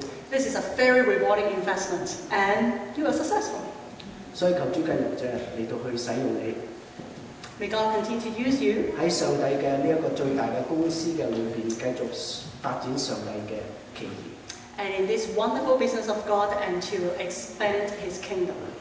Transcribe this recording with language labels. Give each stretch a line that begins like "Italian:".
English: This is a very rewarding investment, and you are successful.
Cantonese: 所以求主繼續嚟到去使用你。
English: May God continue to use you.
Cantonese: 喺上帝嘅呢一個最大嘅公司嘅裏邊，繼續發展上帝嘅旨意。
English: And in this wonderful business of God, and to expand His kingdom.